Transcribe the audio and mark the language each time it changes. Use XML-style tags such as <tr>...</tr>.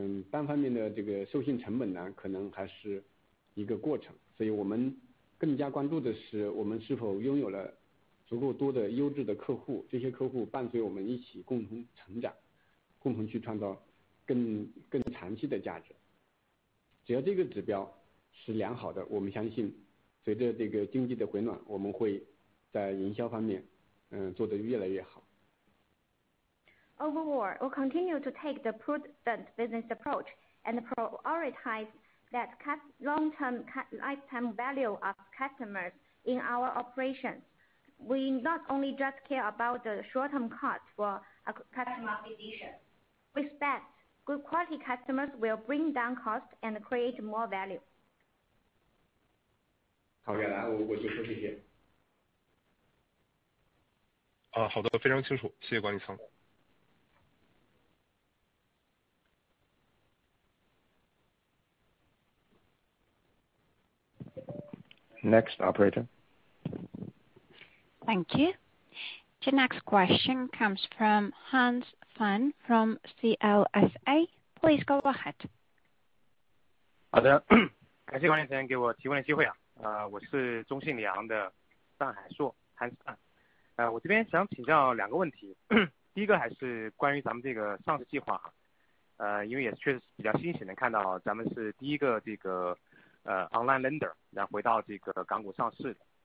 <zh>单方面的这个授信成本呢，可能还是一个过程，所以我们更加关注的是我们是否拥有了足够多的优质的客户，这些客户伴随我们一起共同成长，共同去创造更长期的价值。只要这个指标是良好的，我们相信随着这个经济的回暖，我们会在营销方面做得越来越好。</zh> <en>Overall, we'll continue to take the prudent business approach and prioritize that long-term lifetime value of customers in our operations. We not only just care about the short-term cost for a customer acquisition. We expect good quality customers will bring down cost and create more value.</en> <zh>好，原来我就说这些。好的，非常清楚，谢谢管理层。</zh> <en>Next, operator. Thank you. The next question comes from Hans Fan from CLSA. Please go ahead.</en> <zh>好的，感谢管理层给我提问的机会啊。我是中信里昂的上海硕 Hans Fan。我这边想请教两个问题。第一个还是关于咱们这个上市计划啊。因为也确实比较欣喜，能看到咱们是第一个这个online lender， 然后回到这个港股上市的。</zh>